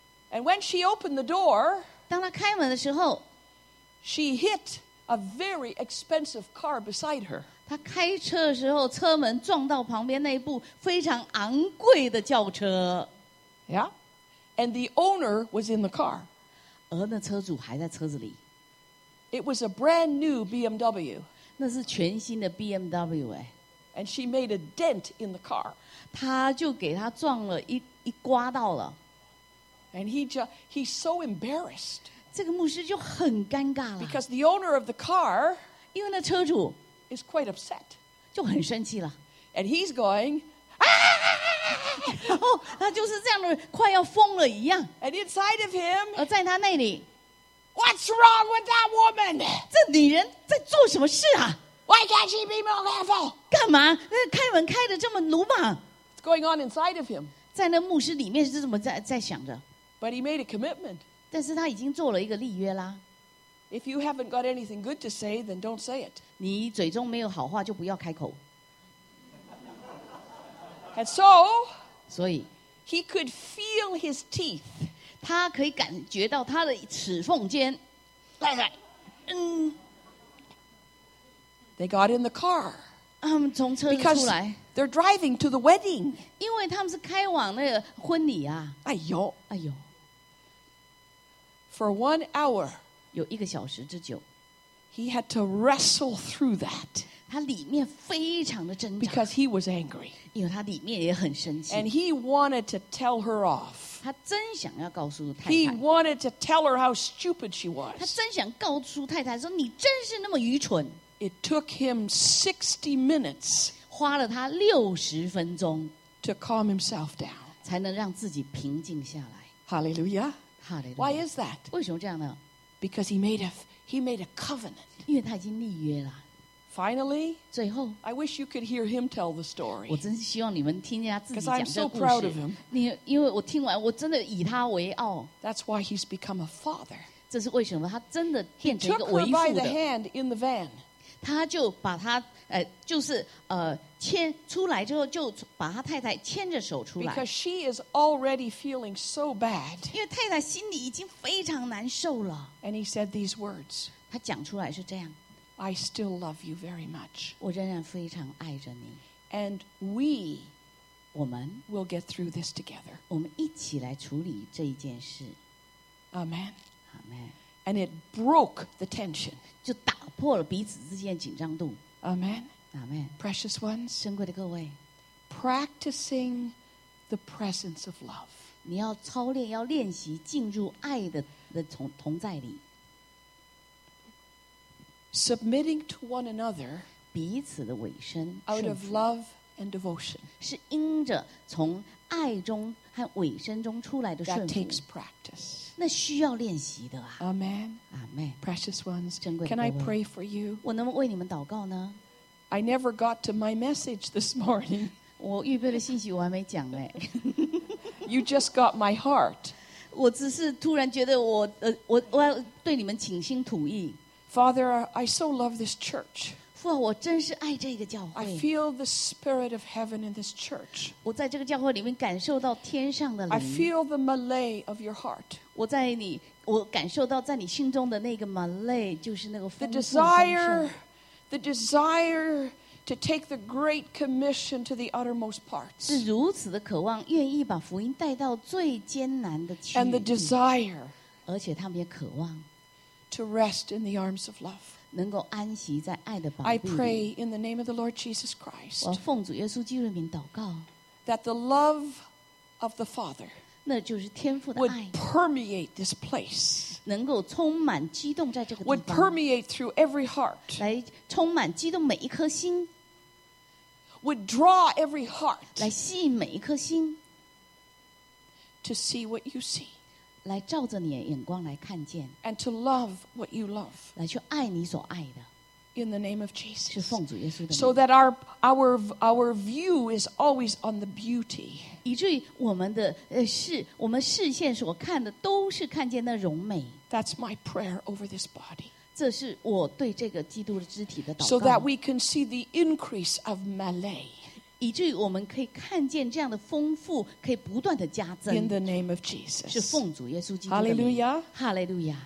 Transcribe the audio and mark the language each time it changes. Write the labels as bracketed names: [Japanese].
[English] And when she opened the door, [Chinese] 当她开门的时候 [English] she hit a very expensive car beside her. [Chinese] 她开车的时候，车门撞到旁边那部非常昂贵的轿车。 [English] Yeah, and the owner was in the car. [Chinese] 而那车主还在车子里。 [English] It was a brand new BMW. [Chinese] 那是全新的 BMW 哎。 [English] And she made a dent in the car. [Chinese] 他就给他撞了一刮到了。 [English] And he's so embarrassed. [Chinese] 这个牧师就很尴尬了。 [English] Because the owner of the car, [Chinese] 因为那车主 [English] is quite upset. [Chinese] 就很生气了。 [English] And he's going. [Chinese] 然后他就是这样的，快要疯了一样。 [English] And inside of him, [Chinese] 而在他那里 [English] ，What's wrong with that woman? [Chinese] 这女人在做什么事啊 [English] ？Why can't she be more level? [Chinese] 干嘛？那开门开的这么鲁莽 [English] ？What's going on inside of him? [Chinese] 在那牧师里面是怎么在想着 [English] ？But he made a commitment. [Chinese] 但是他已经做了一个立约啦。 [English] If you haven't got anything good to say, then don't say it. [Chinese] 你嘴中没有好话就不要开口。 [English] And so, [Chinese] 所以 [English] he could feel his teeth. [Chinese] 他可以感觉到他的齿缝间。 [English] They got in the car. [Chinese] 他们从车子出来。 [English] Because they're driving to the wedding. [Chinese] 因为他们是开往那个婚礼啊。哎呦，哎呦。 [English] For 1 hour, [Chinese] 有一个小时之久。 [English] He had to wrestle through that. [Chinese] 他里面非常的挣扎。 [English] Because he was angry. [Chinese] 因为他里面也很生气。 [English] And he wanted to tell her off. [Chinese] 他真想要告诉太太。 [English] He wanted to tell her how stupid she was. [Chinese] 他真想告诉太太说你真是那么愚蠢。 [English] It took him 60 minutes. [Chinese] 花了他六十分钟。 [English] To calm himself down. [Chinese] 才能让自己平静下来。 [English] Hallelujah. Hallelujah. Why is that? [Chinese] 为什么这样呢？ [English] Because he made a covenant. [Chinese] 因为他已经立约了。 [English] Finally, [Chinese] 最后 [English] I wish you could hear him tell the story. [Chinese] 我真希望你们听见他自己讲这个故事。 [English] Because I'm so proud of him. [Chinese] 因为我听完，我真的以他为傲。 [English] That's why he's become a father. [Chinese] 这是为什么他真的变成一个为父的。 [English] He took her by the hand in the van. [Chinese] 他就把他就是牵出来之后，就把他太太牵着手出来。 [English] Because she is already feeling so bad. [Chinese] 因为太太心里已经非常难受了。 [English] And he said these words. [Chinese] 他讲出来是这样。 [English] I still love you very much. [Chinese] 我仍然非常爱着你。 [English] And we, [Chinese] 我们 [English] will get through this together. [Chinese] 我们一起来处理这一件事。 [English] Amen. Amen. And it broke the tension. [Chinese] 就打破了彼此之间紧张度。 [English] Amen. Amen. Precious ones, [Chinese] 珍贵的各位 [English] practicing the presence of love. [Chinese] 你要操练，要练习进入爱的同在里。 [English] Submitting to one another, [Chinese] 彼此的委身 [English] out of love and devotion, [Chinese] 是因着从爱中和委身中出来的顺服。 [English] That takes practice. [Chinese] 那需要练习的啊。 [English] Amen. Amen. Precious ones, [Chinese] 珍贵的各位 [English] can I pray for you? [Chinese] 我能为你们祷告呢。 [English] I never got to my message this morning. [Chinese] 我预备的信息我还没讲哎。 [English] You just got my heart. [Chinese] 我只是突然觉得我要对你们倾心吐意。 [English] Father, I so love this church. [Chinese] 父啊，我真是爱这个教会。 [English] I feel the spirit of heaven in this church. [Chinese] 我在这个教会里面感受到天上的灵。 [English] I feel the malay of your heart. [Chinese] 我感受到在你心中的那个 malay， 就是那个丰富丰盛。 [English] The desire to take the great commission to the uttermost parts. [Chinese] 是如此的渴望，愿意把福音带到最艰难的区域。 [English] And the desire. [Chinese] 而且他们也渴望。 [English] To rest in the arms of love. [Chinese] 能够安息在爱的保庇。 [English] I pray in the name of the Lord Jesus Christ. [Chinese] 我奉主耶稣基督的名祷告。 [English] That the love of the Father. [Chinese] 那就是天父的爱。 [English] Would permeate this place. [Chinese] 能够充满激动在这个地方。 [English] Would permeate through every heart. [Chinese] 来充满激动每一颗心。 [English] Would draw every heart. [Chinese] 来吸引每一颗心。 [English] To see what you see. [Chinese] 来照着你的眼光来看见 [English] ，and to love what you love， [Chinese] 来去爱你所爱的 [English] ，in the name of Jesus， [Chinese] 是奉主耶稣的名 [English] ，so that our view is always on the beauty， [Chinese] 以至于我们的我们视线所看的都是看见那荣美。 [English] That's my prayer over this body， [Chinese] 这是我对这个基督的肢体的祷告。 [English] So that we can see the increase of malay。 [Chinese] 以至于我们可以看见这样的丰富，可以不断的加增。 [English] In the name of Jesus， [Chinese] 是奉主耶稣基督的名。 [English] Hallelujah， Hallelujah。